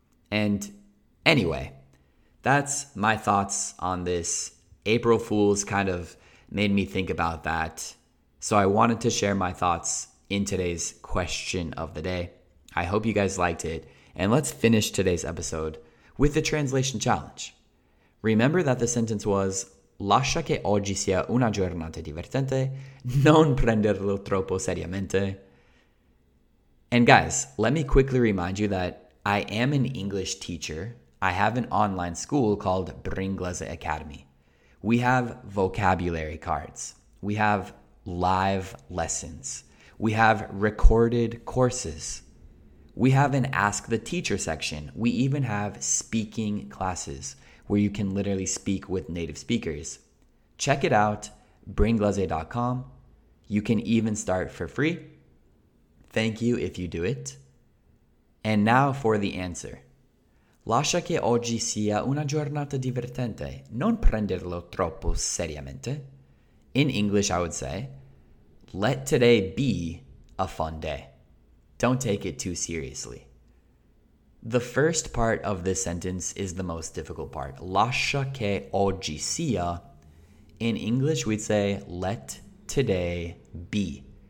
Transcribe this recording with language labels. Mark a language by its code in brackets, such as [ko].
[en] And anyway, that's my thoughts on this. April Fool's kind of made me think about that. So I wanted to share my thoughts in today's question of the day. I hope you guys liked it. And let's finish today's episode with the translation challenge. Remember that the sentence was, [it] lascia che oggi sia una giornata divertente, non prenderlo troppo seriamente. [en] And guys, let me quickly remind you that I am an English teacher. I have an online school called Bringlese Academy. We have vocabulary cards. We have live lessons. We have recorded courses. We have an Ask the Teacher section. We even have speaking classes where you can literally speak with native speakers. Check it out, bringlese.com. You can even start for free. Thank you if you do it. And now for the answer. [it] Lascia che oggi sia una giornata divertente. Non prenderlo troppo seriamente. [en] In English, I would say, let today be a fun day. Don't take it too seriously. The first part of this sentence is the most difficult part. [it] Lascia che oggi sia. [en] In English, we'd say, let today be.